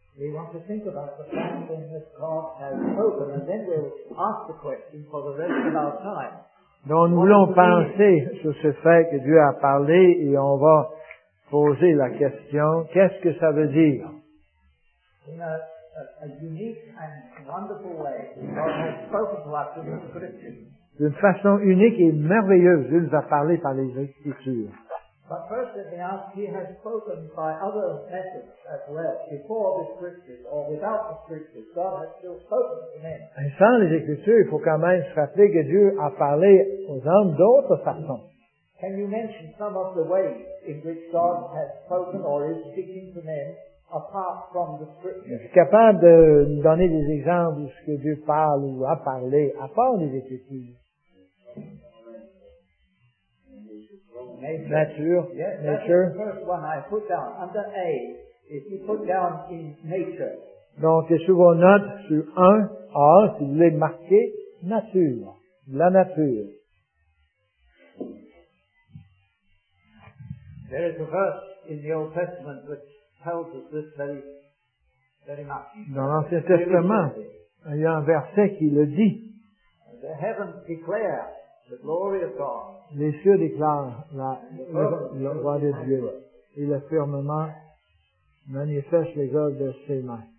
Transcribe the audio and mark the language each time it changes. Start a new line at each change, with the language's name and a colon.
English: We want to think about the fact that God has spoken, and then we'll ask the question for the rest of our time.
French: Donc, nous voulons penser sur ce fait que Dieu a parlé, et on va poser la question, qu'est-ce que ça veut dire?
English: In a unique and wonderful way, God has spoken to us in the Scriptures.
French: D'une façon unique et merveilleuse, Dieu nous a parlé par les Écritures.
English: But first, let me ask, he has spoken by other methods as well, before the Scriptures or without the Scriptures. God has still spoken to men.
French: Et sans les Écritures, il faut quand même se rappeler que Dieu a parlé aux hommes d'autres façons.
English: Can you mention some of the ways in which God has spoken or is speaking to men apart from the Scriptures?
French: Je suis capable de donner des exemples de ce que Dieu parle ou a parlé à part les Écritures.
English: Nature. Yes, nature. That's the first one I put down. Under A, if you put down in nature.
French: Donc, sur vos notes, sur 1, A, si vous voulez marquer, nature. La nature.
English: There is a verse in the Old Testament which tells us this very, very much.
French: Dans l'Ancien Testament, il y a un verset qui le dit.
English: The heavens declare the glory of God.
French: Les cieux déclarent la gloire de Dieu. Et le firmament manifeste les œuvres de ses mains.